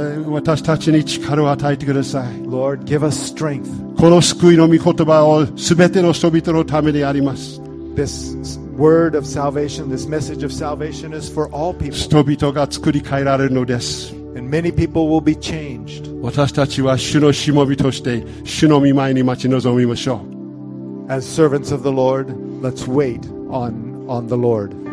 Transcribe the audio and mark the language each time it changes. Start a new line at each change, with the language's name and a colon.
Japanese: 私たちに力を与えてください。
English: Lord, give us strength.
Japanese: この救いの御言葉を全ての人々のためであります。
English: This word of salvation, this message of salvation is for all people.
Japanese: 人々が作り変えられるのです。
English: And many people will be changed.
Japanese: 私たちは主のしもべとして主の御前に待ち望みましょう。
English: As servants of the Lord, let's wait on the Lord.